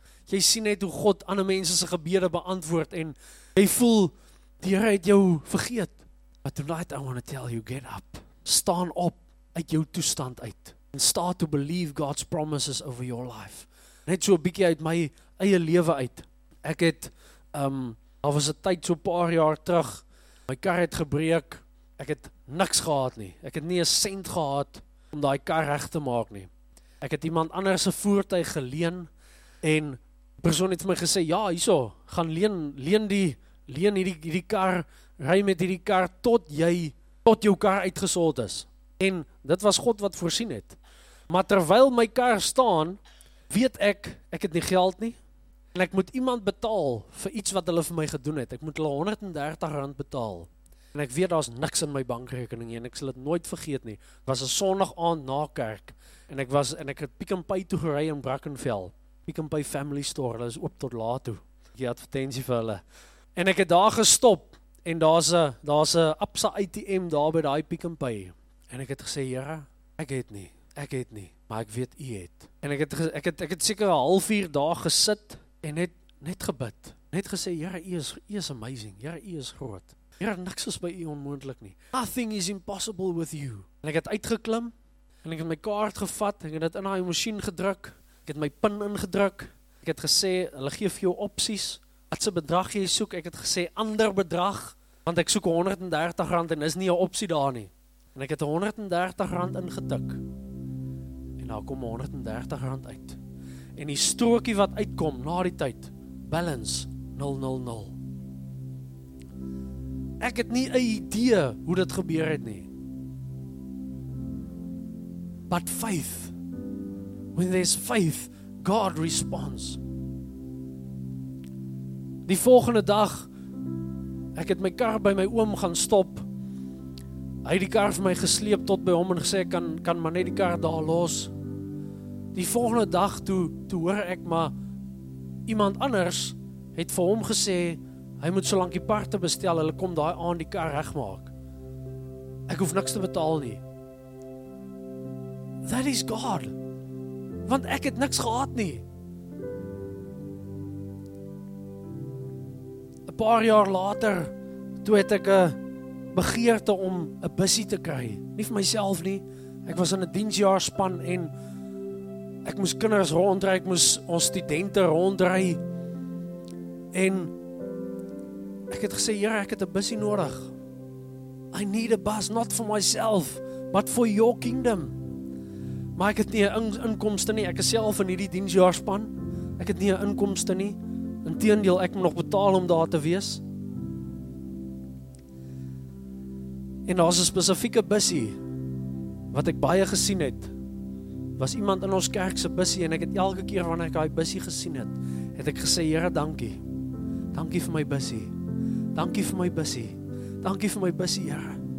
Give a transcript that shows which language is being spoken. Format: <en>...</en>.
<af>Jy sien net hoe God ander mense se gebede beantwoord en jy voel die Here het jou vergeet.</af> <en>But tonight I want to tell you, get up.</en> <af>Staan op uit jou toestand uit.</af> <en>And start to believe God's promises over your life.</en> <af>Net so 'n bietjie uit my eie lewe uit. Ek het, daar was 'n tyd so 'n paar jaar terug, my kar het gebreek. Ek het niks gehad nie. Ek het nie 'n cent gehad om daai kar reg te maak nie. Ek het iemand anders se voertuig geleen en persoon het vir my gesê, ja, hierso, gaan leen hierdie kar, ry met hierdie kar, tot jou kar uitgesold is. En dit was God wat voorsien het. Maar terwyl my kar staan, weet ek het nie geld nie, en ek moet iemand betaal vir iets wat hulle vir my gedoen het. Ek moet hulle R130 betaal. En ek weet, daar's niks in my bankrekening nie, en ek sal dit nooit vergeet nie. Het was 'n sonnaand na kerk, en ek het Pick n Pay toe gery in Brackenfell. Pick n Pay Family Store, hulle is oop tot laat toe. Die advertensie vir hulle. En ek het daar gestop, en daar's 'n Absa ATM daar by daai Pick n Pay. En ek het gesê, Here, ek het nie, maar ek weet U het. En ek het seker 'n halfuur daar gesit, en net gebid. Net gesê, Here, U is amazing. Here, U is groot. Here, niks is by U onmoontlik nie.</af> <en>Nothing is impossible with You.</en> <af>En ek het uitgeklim, en ek het my kaart gevat, en ek het dit in daai masjien gedruk. Ek het my PIN ingedruk. Ek het gesê, hulle gee vir jou opsies. Wat se bedrag jy soek? Ek het gesê, ander bedrag. Want ek soek R130 en is nie 'n opsie daar nie. En ek het R130 ingetik. En daar kom R130 uit. En die strookie wat uitkom na die tyd. Balance 000. Ek het nie 'n idee hoe dit gebeur het nie.</af> <en>But faith. When there's faith, God responds.</en> <af>Die volgende dag, ek het my kar by my oom gaan stop. Hy het die kar vir my gesleep tot by hom en gesê, ek kan maar net die kar daar los. die volgende dag toe hoor ek maar iemand anders het vir hom gesê hy moet so lank die parte bestel, hulle kom daai aan die kar regmaak. Ek hoef niks te betaal nie.</af> <en>That is God.</en> <af>Want ek het niks gehad nie. 'N paar jaar later, toe het ek 'n begeerte om 'n busie te kry. Nie vir myself nie. Ek was in 'n diensjaarspan en ek moes kinders rondry, ek moes ons studente rondry. En ek het gesê, Here, ek het 'n busie nodig.</af> <en>I need a bus, not for myself, but for your kingdom.</en> <af>Maar ek het nie 'n inkomste nie. Ek is self in hierdie diensjaarspan. Ek het nie 'n inkomste nie. Inteendeel, ek moet nog betaal om daar te wees. En daar's 'n spesifieke busie wat ek baie gesien het. Was iemand in ons kerk se busie en ek het elke keer wanneer ek daai busie gesien het, het ek gesê, Here, dankie. Dankie vir my busie. Dankie vir my busie. Dankie vir my busie, Here.</af>